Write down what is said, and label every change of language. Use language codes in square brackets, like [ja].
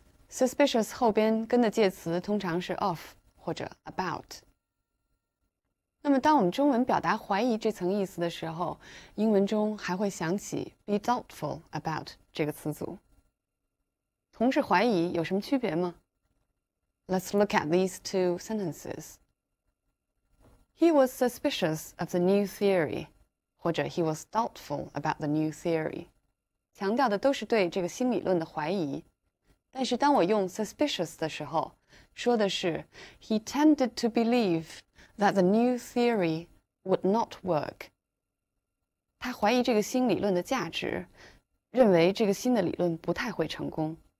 [zh] Suspicious 后边跟的介词通常是 of 或者 about。那么当我们中文表达怀疑这层意思的时候，英文中还会想起 [en] be doubtful about [zh] 这个词组。同是怀疑，有什么区别吗？ [en] Let's look at these two sentences. He was suspicious of the new theory, [zh] 或者 [en] he was doubtful about the new theory. [zh] 强调的都是对这个新理论的怀疑。但是当我用 suspicious 的时候，说的是 [en] he tended to believeThat the new theory would not work. [zh] 他怀疑这个新理论的价值，认为这个新的理论不太会成功。